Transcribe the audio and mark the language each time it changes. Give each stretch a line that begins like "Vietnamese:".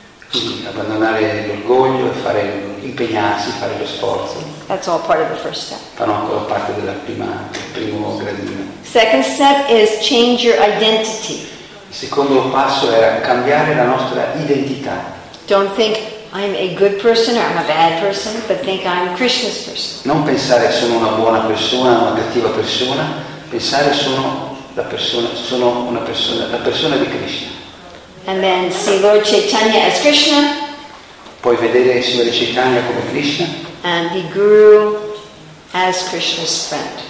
Italian: Quindi abbandonare l'orgoglio e fare, impegnarsi, fare lo sforzo.
English: That's all part of the first step.
Italian: Fanno ancora parte della prima, del primo gradino.
English: Second step is change your identity.
Italian: Il secondo passo era cambiare la nostra identità.
English: Don't think I'm a good person or I'm a bad person, but think I'm Krishna's person.
Italian: Non pensare sono una buona persona o una cattiva persona, pensare la persona di Krishna.
English: And then see Lord Chaitanya as Krishna.
Italian: Puoi vedere il Signore Chaitanya come Krishna.
English: And the Guru as Krishna's friend.